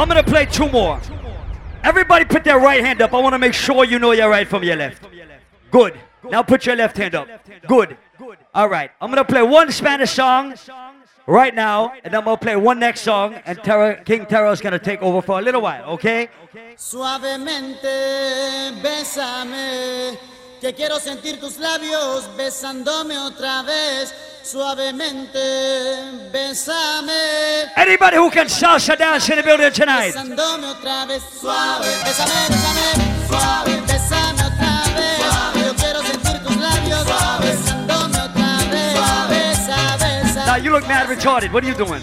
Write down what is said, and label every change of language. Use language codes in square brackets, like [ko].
[en] I'm going to play two more. Everybody put their right hand up. I want to make sure you know your right from your left. Good. Now put your left hand up. Good. All right. I'm going to play one Spanish song right now, and I'm going to play one next song, and Terro, King Terro is going to take over for a little while, okay? [es] Suavemente, bésame, que quiero sentir tus labios besándome otra vez. Suavemente, besame. [en] Anybody who can salsa dance in the building tonight. [es] Besándome otra vez. Suave, besame, besame. Suave, besame otra vez. Suave, yo quiero sentir tus labios. Suave, besándome otra vez. Suave, besa, besa. [en] Now you look mad retarded. What are you doing?